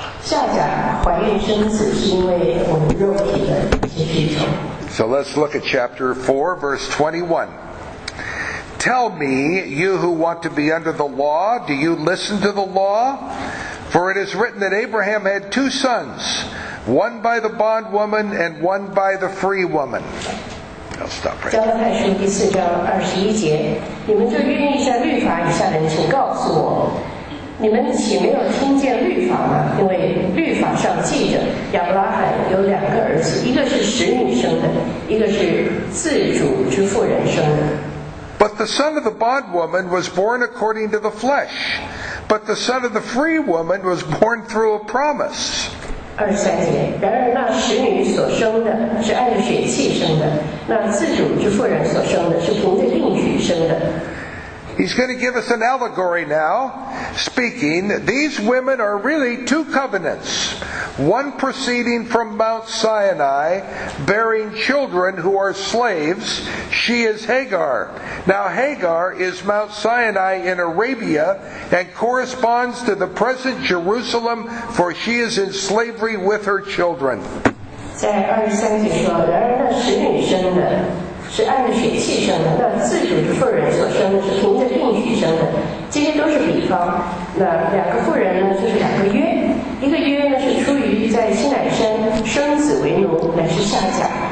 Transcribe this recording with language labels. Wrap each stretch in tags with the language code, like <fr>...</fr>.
<en>So let's look at chapter 4, verse 21. Tell me, you who want to be under the law, do you listen to the law? For it is written that Abraham had two sons, one by the bondwoman and one by the free woman. I'll stop right there.</en> <zh>加拉太书第四章二十一节，你们对律法以下的人，请告诉我，你们岂没有听见律法吗？因为律法上记着，亚伯拉罕有两个儿子，一个是使女生的，一个是自主之妇人生的。</zh> <en>But the son of the bondwoman was born according to the flesh. But the son of the free woman was born through a promise.</en> <zh>23节，然而那使女所生的是按着血气生的，那自主之妇人所生的是凭着应许生的。</zh> <en>He's going to give us an allegory now, speaking, these women are really two covenants, one proceeding from Mount Sinai, bearing children who are slaves. She is Hagar. Now Hagar is Mount Sinai in Arabia and corresponds to the present Jerusalem, for she is in slavery with her children.</en> <zh>在二十三节说，然而那使女生的是按着血气生的，那自主之妇人所生的是凭着应许生的，这些都是比方。那两个妇人呢，就是两个约，一个约呢是出于在西乃山生子为奴，乃是夏甲。</zh>